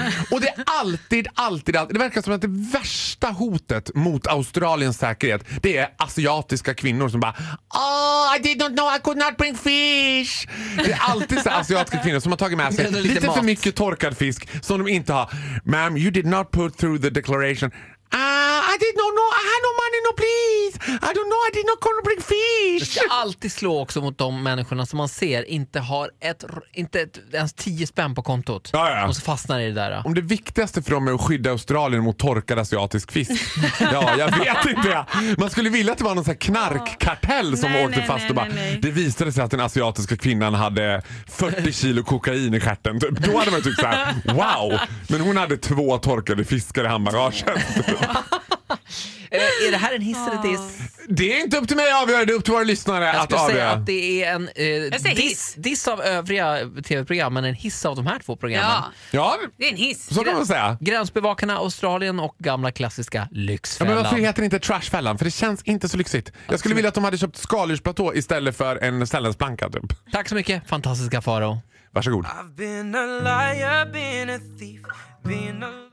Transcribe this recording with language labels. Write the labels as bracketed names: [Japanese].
[Swedish] Och det är alltid, alltid, alltid. Det verkar som att det värsta hotet mot Australiens säkerhet, det är asiatiska kvinnor som bara, [English] oh, I did not know I could not bring fish. [Swedish] Det är alltid så asiatiska kvinnor som har tagit med sig lite för mycket torkad fisk som de inte har. [English] Ma'am, you did not put through the declaration. I did not know, I had no money, no please. I don't know, I did not come to bring fish. [Swedish] Jag ska alltid slå också mot de människorna som man ser inte har ens 10 spänn på kontot. Ja, ja. Och så fastnar det där. Om det viktigaste för dem är att skydda Australien mot torkad asiatisk fisk. Ja, jag vet inte. Man skulle vilja att det var någon sån här knarkkartell som åkte fast. Nej, och bara, det visade sig att den asiatiska kvinnan hade 40 kilo kokain i stjärten. Då hade man tyckt så här, wow. Men hon hade 2 torkade fiskar i handbagagen. Är det här en hiss eller diss? Det är inte upp till mig att avgöra, det är upp till våra lyssnare att avgöra. Jag skulle säga att det är en diss av övriga tv-program, men en hiss av de här 2 programmen. Ja, det är en hiss. Så kan man säga. Gränsbevakarna, Australien och gamla klassiska Lyxfällan. Ja, men varför heter det inte Trashfällan? För det känns inte så lyxigt. Jag skulle vilja att de hade köpt skaldjursplatå istället för en sällensplanka typ. Tack så mycket, fantastiska Faro. Varsågod. [English] I've been a liar, been a thief, been a...